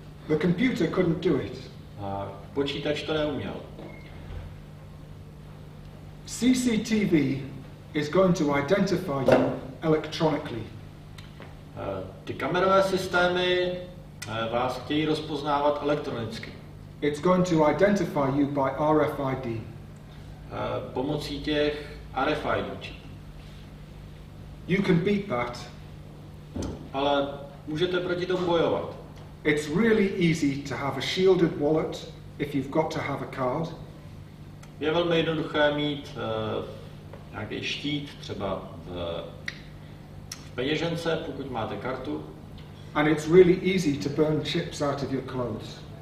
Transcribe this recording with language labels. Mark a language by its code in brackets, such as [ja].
[en] The computer couldn't do it. [cs] A počítač to neuměl. [en] CCTV is going to identify you electronically. [cs] Ty kamerové systémy vás chtějí rozpoznávat elektronicky. [en] It's going to identify you by RFID. [cs] Pomocí těch RFID. [en] You can beat that. [cs] Ale můžete proti tomu bojovat. [en] It's really easy to have a shielded wallet if you've got to have a card. [cs] Je velmi jednoduché mít nějaký štít třeba v peněžence, pokud máte kartu. [en] And it's really easy to burn chips out of your clothes.